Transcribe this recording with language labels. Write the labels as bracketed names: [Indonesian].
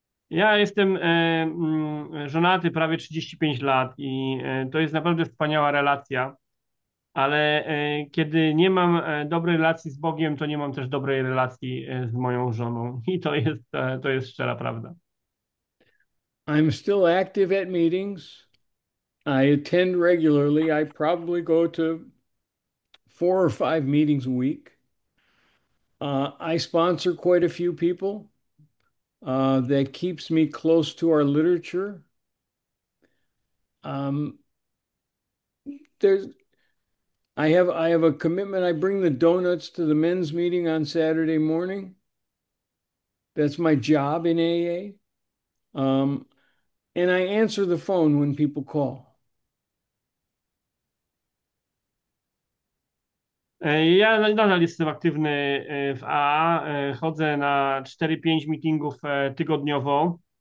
[Polish] Ja jestem żonaty prawie 35 lat i to jest naprawdę wspaniała relacja, ale kiedy nie mam dobrej relacji z Bogiem, to nie mam też dobrej relacji z moją żoną. I to jest szczera prawda. [English] I'm still active at meetings. I attend regularly. I probably go to four or five meetings a week. I sponsor quite a few people. That keeps me close to our literature. I have a commitment. I bring the donuts to the men's meeting on Saturday morning. That's my job in AA. And I answer the phone when people call. [Polish] Ja nadal jestem aktywny w AA. Chodzę na 4-5 meetingów tygodniowo.